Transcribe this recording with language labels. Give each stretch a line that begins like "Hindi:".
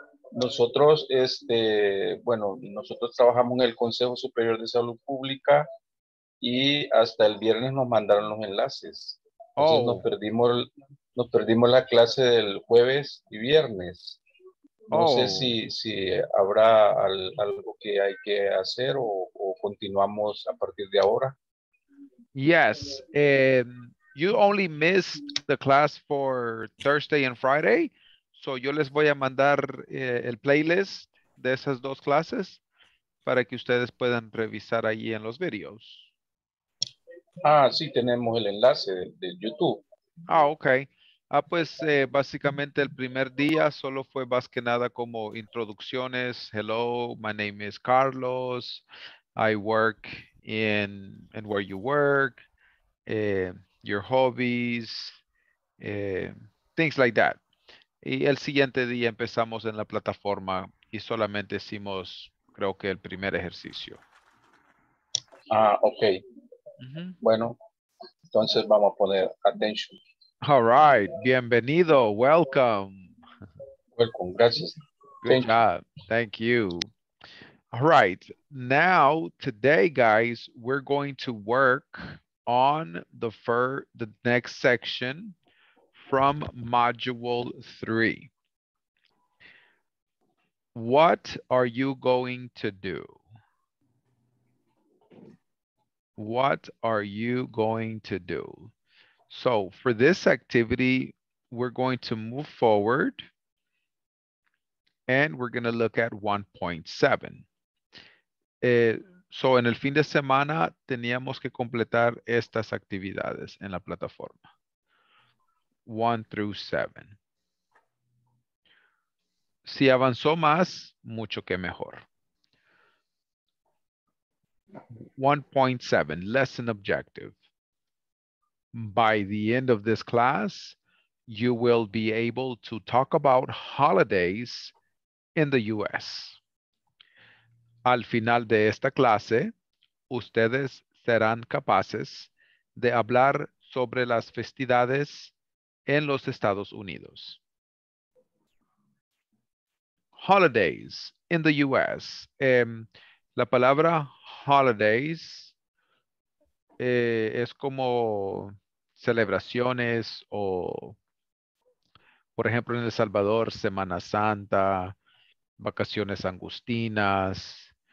Spanish: Nosotros, nosotros trabajamos en el Consejo Superior de Salud Pública y hasta el viernes nos mandaron los enlaces. Entonces, oh. Nos perdimos la clase del jueves y viernes. No sé si habrá algo que hay que hacer o continuamos a partir de ahora.
English: Yes. You only missed the class for Thursday and Friday.
Spanish: So yo les voy a mandar el playlist de esas dos clases para que ustedes puedan revisar allí en los videos. Ah, sí, tenemos el enlace de YouTube. Ah, okay. Ah, pues básicamente el primer día solo fue más que nada como introducciones.
English: Hello, my name is Carlos. I work in where you work, your hobbies, things like that.
Spanish: Y el siguiente día empezamos en la plataforma y solamente hicimos, creo que el primer ejercicio. Ah, okay. Mm-hmm. Bueno, entonces vamos a poner atención.
English: All right. Bienvenido. Welcome. Welcome. Gracias. Good job. Thank you. All right. Now, today, guys, we're going to work on the next section from module 3. What are you going to do? What are you going to do? So for this activity, we're going to move forward and we're going to look at 1.7.
Spanish: So en el fin de semana, teníamos que completar estas actividades en la plataforma.
English: 1 through 7.
Spanish: Si avanzó más, mucho que mejor.
English: 1.7, lesson objective. By the end of this class, you will be able to talk about holidays in the U.S.
Spanish: Al final de esta clase, ustedes serán capaces de hablar sobre las festividades en los Estados Unidos.
English: Holidays in the U.S.
Spanish: La palabra holidays es como celebraciones o, por ejemplo, en El Salvador, Semana Santa, vacaciones angustinas,